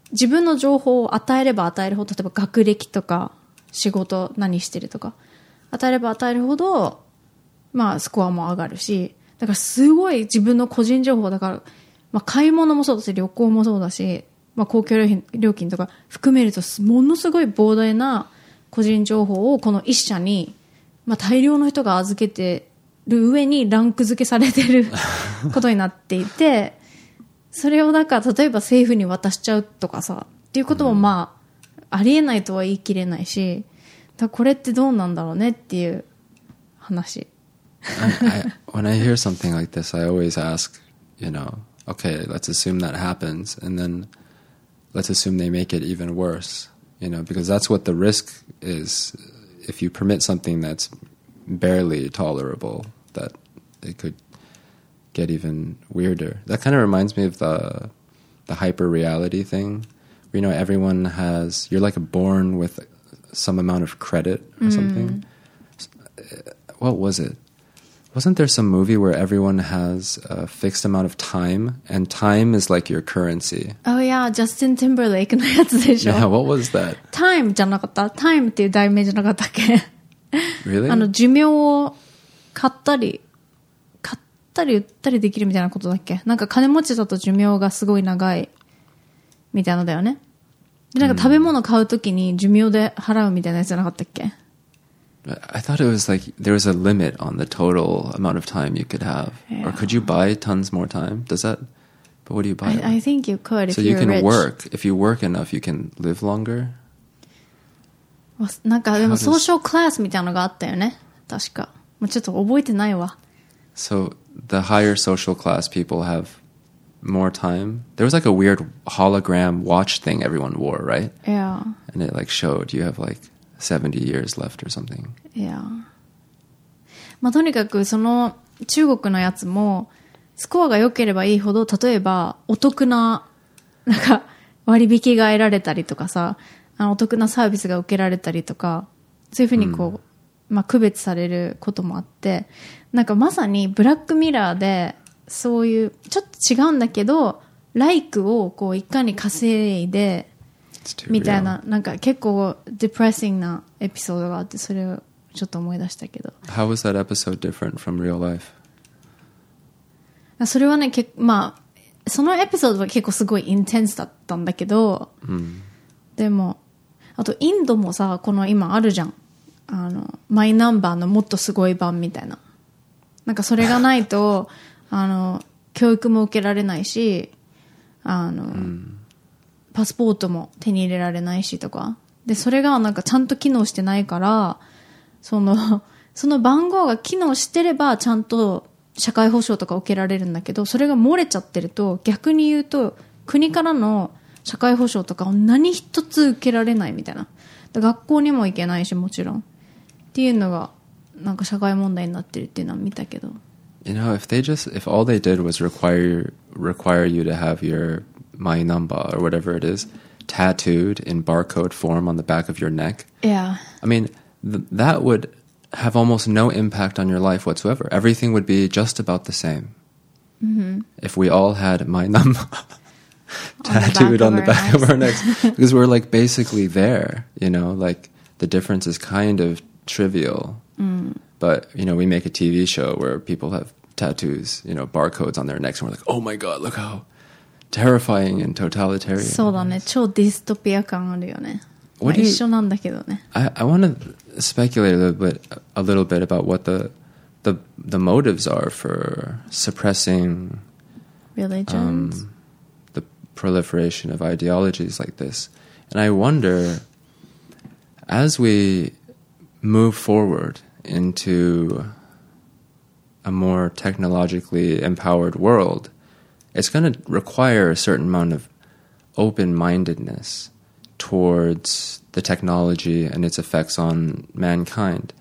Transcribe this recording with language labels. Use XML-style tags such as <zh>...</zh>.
<ja>自分の情報を与えれば与えるほど、例えば学歴とか仕事何してるとか与えれば与えるほど、まあスコアも上がるし、だからすごい自分の個人情報だから、まあ、買い物もそうだし旅行もそうだし、まあ、公共料金とか含めるとものすごい膨大な個人情報をこの一社に、まあ、大量の人が預けてる上にランク付けされてることになっていて、それをだから例えば政府に渡しちゃうとかさっていうこともまあありえないとは言い切れないし、だこれってどうなんだろうねっていう話。</ja> <en>When I hear something like this, I always ask, you know, okay, let's assume that happens, and then let's assume they make it even worse, you know, because that's what the risk is if you permit something that's barely tolerable, that it could get even weirder. That kind of reminds me of the hyper-reality thing. You know, everyone has, you're like born with some amount of credit or something. What was it? Wasn't there some movie where everyone has a fixed amount of time, and time is like your currency? Oh yeah,</en> <ja>Justin Timberlake のやつでしょ。</ja> <en>Yeah, what was that?</en> <ja>Time じゃなかった。Time っていう題名じゃなかったっけ。</ja> <en>Really?</en> <ja>あの寿命を買ったり売ったりできるみたいなことだっけ。なんか金持ちだと寿命がすごい長いみたいなのだよね。でなんか食べ物買うときに寿命で払うみたいなやつじゃなかったっけ。</ja> <en>I thought it was like there was a limit on the total amount of time you could have. Yeah. Or could you buy tons more time? Does that... But what do you buy? I think you could if you're rich. So you can work. If you work enough, you can live longer?</en> <ja>なんかでもソーシャルクラスみたいなのがあったよね。確か。もうちょっと覚えてないわ。</ja> <en>So the higher social class people have more time. There was like a weird hologram watch thing everyone wore, right? Yeah. And it like showed you have like... 70 years left or something. Yeah.</en> <ja>まあとにかくその中国のやつもスコアが良ければいいほど、例えばお得ななんか割引が得られたりとかさ、あのお得なサービスが受けられたりとか、そういうふうにこう、まあ区別されることもあって、なんかまさにブラックミラーでそういうちょっと違うんだけど、ライクをこういかに稼いで。みたいな、なんか結構depressingなエピソードがあって、それをちょっと思い出したけど。</ja> <en>How was that episode different from real life?</en> <ja>それはね、まあそのエピソードは結構すごいインテンスだったんだけど、でもあとインドもさ、この今あるじゃん、あのマイナンバーのもっとすごい版みたいな、なんかそれがないとあの教育も受けられないし、あの、パスポートも手に入れられないしとか。で、それがなんかちゃんと機能してないから、その番号が機能してればちゃんと社会保障とか受けられるんだけど、それが漏れちゃってると、逆に言うと国からの社会保障とかを何一つ受けられないみたいな。で、学校にも行けないし、もちろん。っていうのがなんか社会問題になってるっていうのは見たけど。</ja> <en>You know, if all they did was require you to have your... my number or whatever it is tattooed in barcode form on the back of your neck. Yeah. I mean, that would have almost no impact on your life whatsoever. Everything would be just about the same. If we all had my number tattooed on the back of our necks. Because we're like basically there, you know, like the difference is kind of trivial. But, you know, we make a TV show where people have tattoos, you know, barcodes on their necks, and we're like, oh my God, look howterrifying and totalitarian.</en> <ja>そうだね、超ディストピア感あるよね。まあ、一緒なんだけどね。</ja> <en>I want to speculate a little bit about what the motives are for suppressing religions, the proliferation of ideologies like this. And I wonder, as we move forward into a more technologically empowered world,it's going to require a certain amount of open-mindedness towards the technology and its effects on mankind.</en>